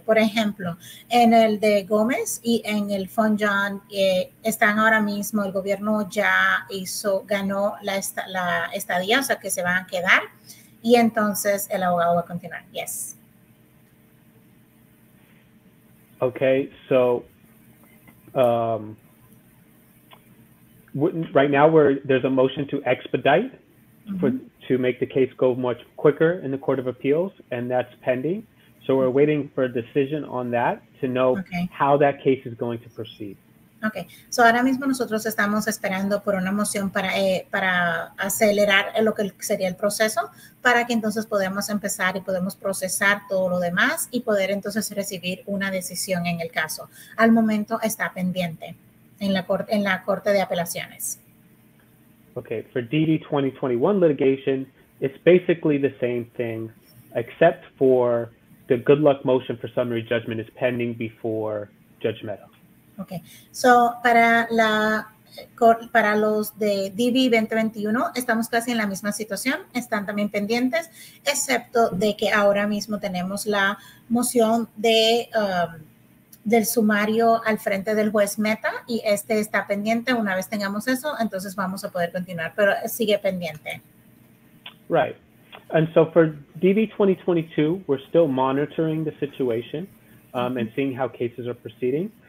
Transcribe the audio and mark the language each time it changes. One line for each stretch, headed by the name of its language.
Spanish: Por ejemplo, en el de Gómez y en el Fonjan, están ahora mismo, el gobierno ya hizo, ganó la estadía, o sea que se van a quedar, y entonces el abogado va a continuar.
English: Yes. Okay, so right now there's a motion to expedite to make the case go much quicker in the Court of Appeals, and that's pending. So we're waiting for a decision on that to know how that case is going to proceed. Okay, so
Spanish: ahora mismo nosotros estamos esperando por una moción para acelerar lo que sería el proceso para que entonces podamos empezar y podemos procesar todo lo demás y poder entonces recibir una decisión en el caso. Al momento está pendiente en la Corte de Apelaciones.
English: Okay, for DD-2021 litigation, it's basically the same thing except for the good luck motion for summary judgment is pending before Judge Meadows. Okay, so
Spanish: para los de DV-2021 estamos casi en la misma situación, están también pendientes, excepto de que ahora mismo tenemos la moción de del sumario al frente del juez Meta y este está pendiente. Una vez tengamos eso, entonces vamos a poder continuar, pero sigue pendiente.
English: Right, and so for DV-2022, we're still monitoring the situation and seeing how cases are proceeding.